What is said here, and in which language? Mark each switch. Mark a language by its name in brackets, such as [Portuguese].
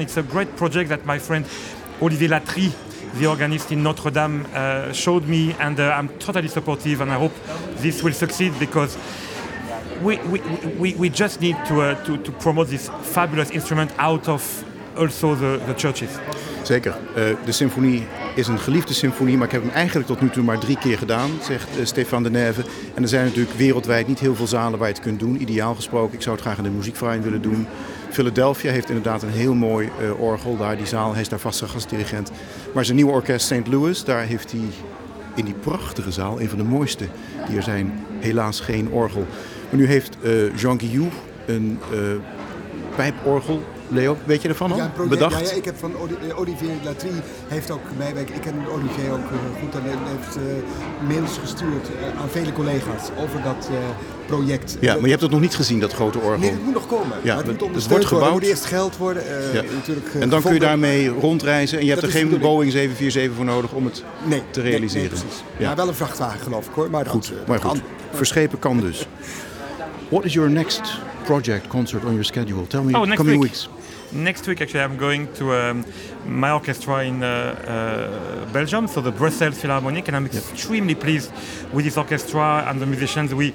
[English] It's a great project that my friend Olivier Latrie, the organist in Notre Dame, showed me, and I'm totally supportive, and I hope this will succeed, because we just need to promote this fabulous instrument out of also the churches. [Dutch] Zeker. De symfonie is een geliefde symfonie, maar ik heb hem eigenlijk tot nu toe maar 3 keer gedaan, zegt Stefan de Neve. En er zijn natuurlijk wereldwijd niet heel veel zalen waar je het kunt doen. Ideaal gesproken, ik zou het graag in de Muziekverein willen doen. Philadelphia heeft inderdaad een heel mooi orgel daar. Die zaal, hij is daar vast een gastdirigent. Maar zijn nieuwe orkest St. Louis, daar heeft hij in die prachtige zaal, een van de mooiste die er zijn, helaas geen orgel. Maar nu heeft Jean Guillou een pijporgel. Leo, weet je ervan al? Bedacht? Ja, ik heb van Olivier Latrie, heeft ook meewerkt. Ik ken Olivier ook goed, en heeft mails gestuurd aan vele collega's over dat project. Ja, maar je hebt het nog niet gezien, dat grote orgel. Nee, het moet nog komen. Ja, maar het wordt gebouwd. Het moet eerst geld worden. Natuurlijk, en dan kun je daarmee rondreizen, en je hebt er geen Boeing 747 voor nodig om het te realiseren. Nee, precies. Ja. Maar wel een vrachtwagen, geloof ik, hoor. Maar goed, verschepen kan dus. [English] What is your next project concert on your schedule? Tell me in the coming week. Weeks. Next week, actually, I'm going to my orchestra in Belgium, so the Brussels Philharmonic, and I'm extremely pleased with this orchestra and the musicians.